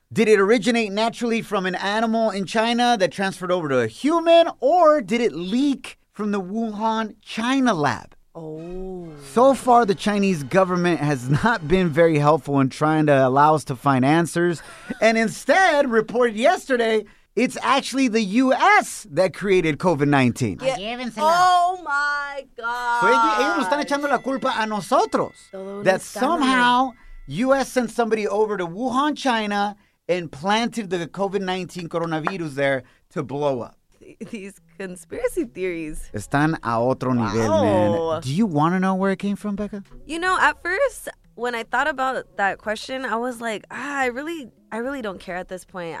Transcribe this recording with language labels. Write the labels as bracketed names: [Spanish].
[English] Did it originate naturally from an animal in China that transferred over to a human, or did it leak from the Wuhan China lab? So far, the Chinese government has not been very helpful in trying to allow us to find answers, and instead reported yesterday it's actually the U.S. that created COVID-19. Yeah. Oh, my God. [Spanish] So ellos nos están echando la culpa a nosotros. [English] That somehow, U.S. sent somebody over to Wuhan, China, and planted the COVID-19 coronavirus there to blow up. These conspiracy theories. [Spanish] Están a otro nivel, man. [English] Do you want to know where it came from, Becca? You know, at first, when I thought about that question, I was like, I really don't care at this point.